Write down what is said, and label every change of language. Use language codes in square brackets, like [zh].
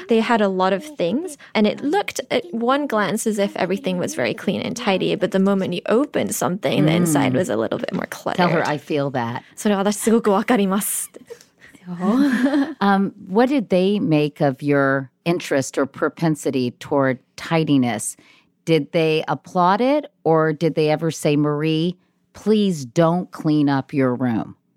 [en] They had a lot of things, and it looked at one glance as if everything was very clean and tidy, but the moment you opened something, the inside was a little bit more cluttered. Tell her I feel that. [ja] それは私すごくわかります。 [en] What did they make of your interest or propensity toward tidiness? Did they applaud it, or did they ever say, Marie, please don't clean up your room?